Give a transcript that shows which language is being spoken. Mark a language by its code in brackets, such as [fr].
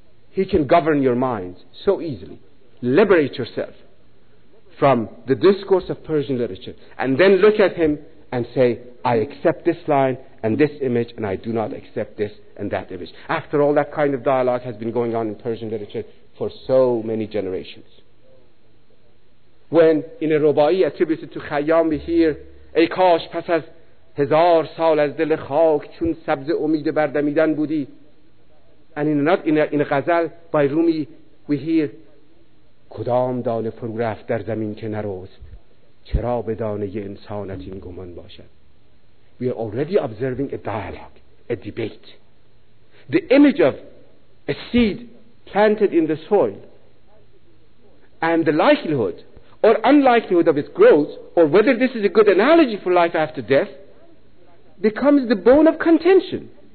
[en] He can govern your mind so easily. Liberate yourself from the discourse of Persian literature and then look at him and say, I accept this line and this image, and I do not accept this and that image. After all, that kind of dialogue has been going on in Persian literature for so many generations. When in a Rubai attributed to Khayyam we hear, [fa] ای کاش پس از هزار سال از دل خاک چون سبز امید بردمیدن بودی. [en] And in a غزل by Rumi we hear, [fa] کدام دانه فرو رفت در زمین که نرست، چرا به دانه ی انسانت این گمان باشد. [en] We are already observing a dialogue, a debate. The image of a seed planted in the soil and the likelihood or unlikelihood of its growth, or whether this is a good analogy for life after death, becomes the bone of contention.